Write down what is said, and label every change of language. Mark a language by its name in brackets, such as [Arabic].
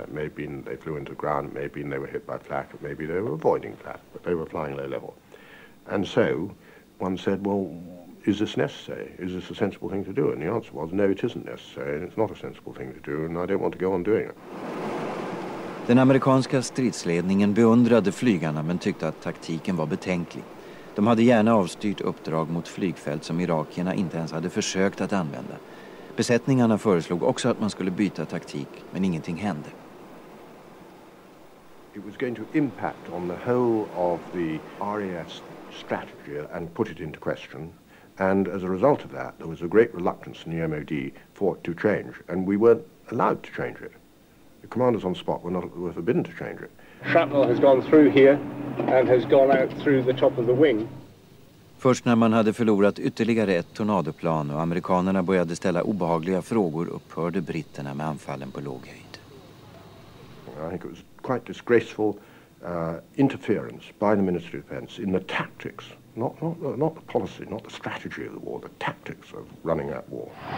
[English] It may have been they flew into ground, maybe they were hit by flak, maybe they were avoiding flak, but they were flying low level. And so one said, well, is this necessary? Is this a sensible thing to do? And the answer was, no, it isn't necessary, and it's not a sensible thing to do, and I don't want to go on doing it. [Swedish] Den amerikanska stridsledningen beundrade flygarna, men tyckte att taktiken var betänklig. De hade gärna avstyrt uppdrag mot flygfält som irakierna inte ens hade försökt att använda. Besättningarna föreslog också att man skulle byta taktik, men ingenting hände. [English] It was going to impact on the whole of the RAF's strategy and put it into question. And as a result of that, there was a great reluctance in the MOD for it to change. And we weren't allowed to change it. The commanders on the spot were forbidden to change it. Shrapnel has gone through here and has gone out through the top of the wing. [Swedish] Först när man hade förlorat ytterligare ett tornadoplan och amerikanerna började ställa obehagliga frågor upphörde britterna med anfallen på låg höjd. [English] I think it was quite disgraceful interference by the Ministry of Defense in the tactics. Not the policy, not the strategy of the war, the tactics of running that war.